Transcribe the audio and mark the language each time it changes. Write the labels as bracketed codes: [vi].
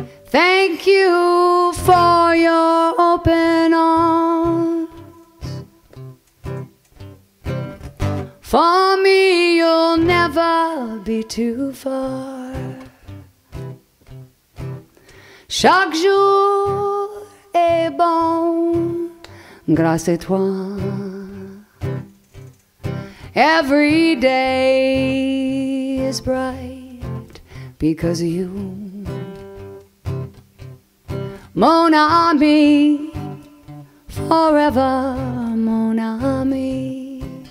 [en] Thank you for your open arms. For me, you'll never be too far. [fr] Chaque jour est bon grâce à toi. [en] Every day is bright because of you. [fr] Mon ami, forever, mon ami.